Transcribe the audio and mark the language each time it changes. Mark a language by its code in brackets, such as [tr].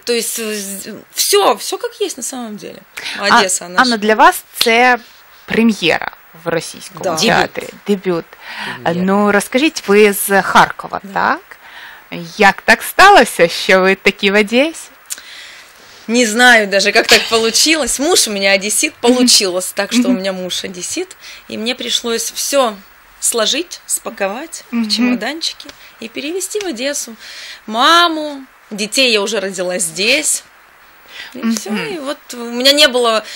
[ru] То есть все, все как есть на самом деле. Одесса, наша. [uk] Анна, для вас це прем'єра в російському да. театрі. Дебют. Ну, розкажіть, ви з Харкова, да. так? Як так сталося, що ви такі в Одесі? [ru] Не знаю даже, как так получилось. Муж у меня одессит, получилось так, что у меня муж одессит. И мне пришлось все сложить, спаковать в чемоданчики и перевезти в Одессу. Маму, детей я уже родила здесь. И все, и вот у меня не было...